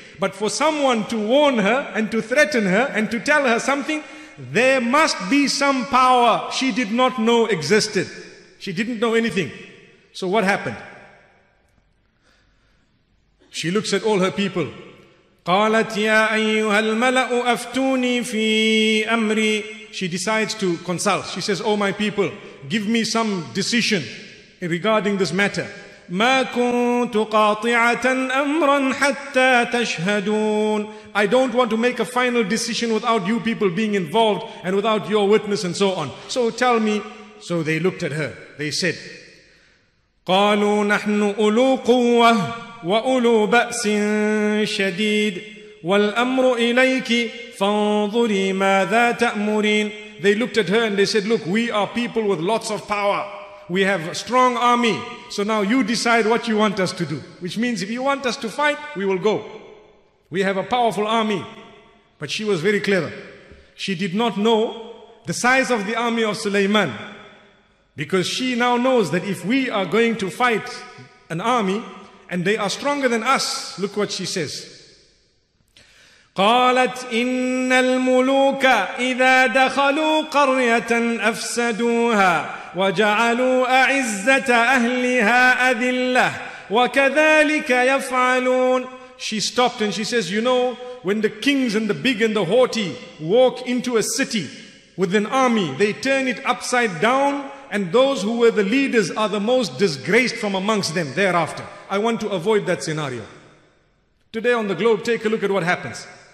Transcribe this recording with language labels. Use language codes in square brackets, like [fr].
[en] But for someone to warn her and to threaten her and to tell her something, there must be some power she did not know existed. She didn't know anything. So what happened? She looks at all her people. [ar] قَالَتْ يَا أَيُّهَا الْمَلَأُ أَفْتُونِي فِي أَمْرِي [en] She decides to consult. She says, oh my people, give me some decision regarding this matter. [ar] ما كنت قاطعة أمرا حتى تشهدون. [en] I don't want to make a final decision without you people being involved and without your witness and so on. So tell me. So they looked at her. They said, [ar] قالوا نحن أولو قوة وأولو بأس شديد والأمر إليك فانظري ماذا تأمرين. [en] They looked at her and they said, look, we are people with lots of power. We have a strong army. So now you decide what you want us to do. Which means if you want us to fight, we will go. We have a powerful army. But she was very clever. She did not know the size of the army of Sulaiman. Because she now knows that if we are going to fight an army and they are stronger than us, look what she says. [ar] قالت إن الملوك إذا دخلوا قرية أفسدوها وجعلوا أعزة أهلها أذلة وكذلك يفعلون. [en] She stopped and she says, you know, when the kings and the big and the haughty walk into a city with an army, they turn it upside down, and those who were the leaders are the most disgraced from amongst them thereafter. I want to avoid that scenario. Today on the globe, take a look at what happens.